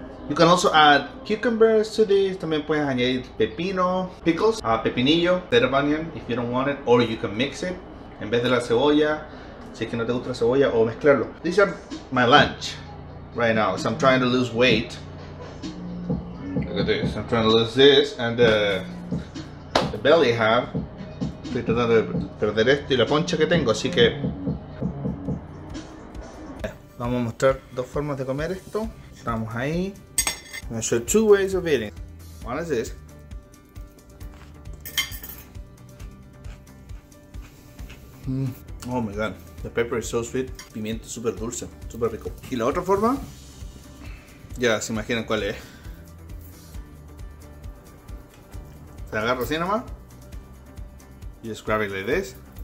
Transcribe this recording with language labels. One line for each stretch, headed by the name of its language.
English: You can also add cucumbers to this.
Spanish: También puedes añadir pepino,
English: pickles, pepinillo, instead of onion if you don't want it, or you can mix it
Spanish: en vez de la cebolla, si es que no te gusta la cebolla, o mezclarlo.
English: These are my lunch right now, so I'm trying to lose weight. Look at this, I'm trying to lose this and the belly I have.
Spanish: Estoy tratando de perder esto y la poncha que tengo, así que vamos a mostrar dos formas de comer esto. Estamos ahí.
English: I'm gonna show two ways of eating. One is this. Oh my god, the pepper is so sweet.
Spanish: Pimiento super dulce, super rico. Y la otra forma, ya se imaginan cuál es. Se agarra así nomás.
English: You just grab it like this.